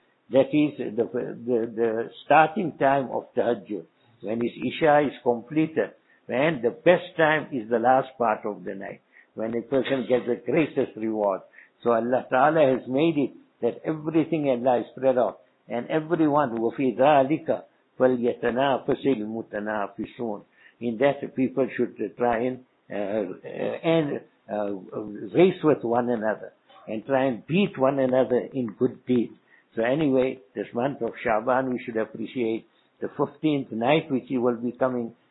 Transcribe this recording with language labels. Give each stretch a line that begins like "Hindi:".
English: That is the starting time of tahajjud, when his Isha is completed. And the best time is the last part of the night, when a person gets the greatest reward. So Allah Ta'ala has made it that everything Allah is spread out. And everyone,
Arabic: وَفِي ذَٰلِكَ فَلْيَتَنَافَسِ الْمُتَنَافِسُونَ.
English: In that, people should try and race with one another and try and beat one another in good deeds. So anyway, this month of Shaban, we should appreciate the 15th night which he will be coming.